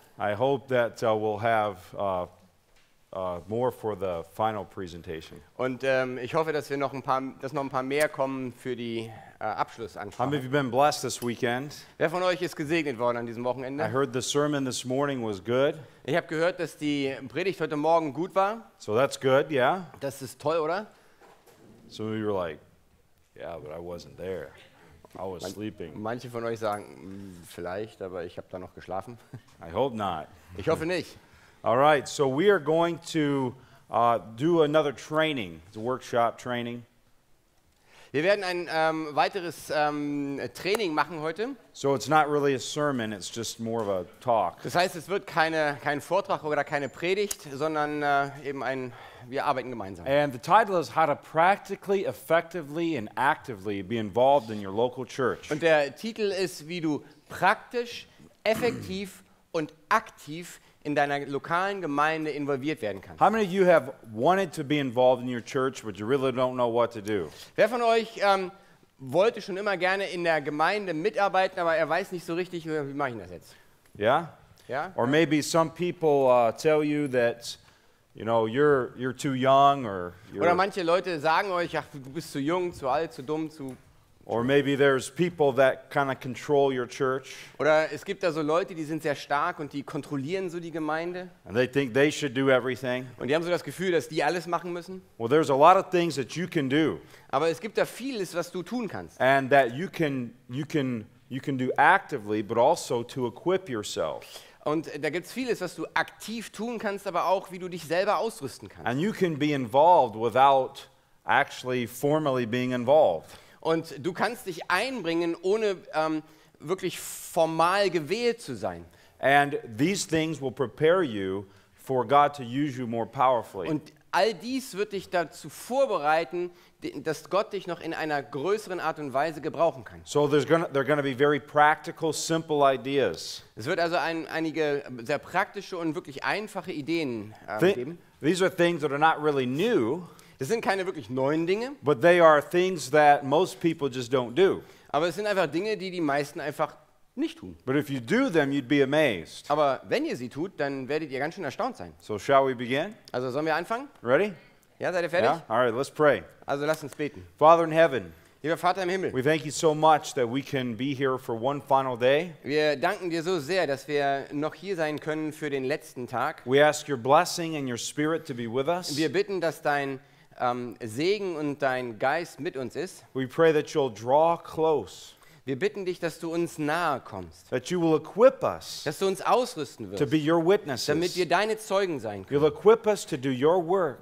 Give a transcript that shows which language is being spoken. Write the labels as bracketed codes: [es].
[en] I hope that we'll have more for the final presentation. [de] Und ich hoffe, dass wir noch ein paar, dass noch ein paar mehr kommen für die Abschlussansprache. [en] How many of you been blessed this weekend? [de] Wer von euch ist gesegnet worden an diesem Wochenende? [en] I heard the sermon this morning was good. [de] Ich habe gehört, dass die Predigt heute Morgen gut war. [en] So that's good, yeah. [de] Das ist toll, oder? [en] Some of you were like, yeah, but I wasn't there. I was sleeping. [de] Manche von euch sagen, vielleicht, aber ich habe da noch geschlafen. [en] I hope not. [de] Ich hoffe nicht. [en] All right, so we are going to do another training, the workshop training. [de] Wir werden ein weiteres Training machen heute. [en] So it's not really a sermon, it's just more of a talk. [de] Das heißt, es wird kein Vortrag oder keine Predigt, sondern eben ein, wir arbeiten gemeinsam. [en] And the title is How to Practically, Effectively and Actively Be Involved in Your Local Church. [de] Und der Titel ist, wie du praktisch, effektiv und aktiv in deiner lokalen Gemeinde involviert werden kannst. [en] How many of you have wanted to be involved in your church, but you really don't know what to do? [de] Wer von euch wollte schon immer gerne in der Gemeinde mitarbeiten, aber er weiß nicht so richtig, wie mache ich das jetzt? [en] Yeah? Yeah? Or maybe some people tell you that, you know, you're too young or you're... [de] Oder manche Leute sagen euch, ach, du bist zu jung, zu alt, zu dumm, zu... [en] Or maybe there's people that kind of control your church. [de] Oder es gibt da so Leute, die sind sehr stark und die kontrollieren so die Gemeinde. [en] And they think they should do everything. [de] Und die haben so das Gefühl, dass die alles machen müssen. [en] Well, there's a lot of things that you can do. [de] Aber es gibt da vieles, was du tun kannst. [en] And that you can do actively, but also to equip yourself. [de] Und da gibt's vieles, was du aktiv tun kannst, aber auch wie du dich selber ausrüsten kannst. [en] And you can be involved without actually formally being involved. [de] Und du kannst dich einbringen, ohne wirklich formal gewählt zu sein. [en] And these things will prepare you for God to use you more powerfully. [de] Und all dies wird dich dazu vorbereiten, dass Gott dich noch in einer größeren Art und Weise gebrauchen kann. [en] So they're gonna be very practical, simple ideas. [de] Es wird also einige sehr praktische und wirklich einfache Ideen geben. [en] These are things that are not really new. [de] Das sind keine wirklich neuen Dinge. [en] But they are things that most people just don't do. [de] Aber es sind einfach Dinge, die meisten einfach nicht tun. [en] But if you do them, you'd be amazed. [de] Aber wenn ihr sie tut, dann werdet ihr ganz schön erstaunt sein. [en] So shall we begin? [de] Also sollen wir anfangen? [en] Ready? [de] Ja, seid ihr fertig? [en] Yeah? All right, let's pray. [de] Also lasst uns beten. [en] Father in heaven. [de] Lieber Vater im Himmel. [en] We thank you so much that we can be here for one final day. [de] Wir danken dir so sehr, dass wir noch hier sein können für den letzten Tag. [en] We ask your blessing and your spirit to be with us. [de] Wir bitten, dass dein Segen und dein Geist mit uns ist. [en] We pray that you'll draw close. [de] Wir bitten dich, dass du uns nahe kommst. [en] That you will equip us. [de] Dass du uns ausrüsten wirst. [en] To be your witnesses. [de] Damit wir deine Zeugen sein können. [en] You'll equip us to do your work.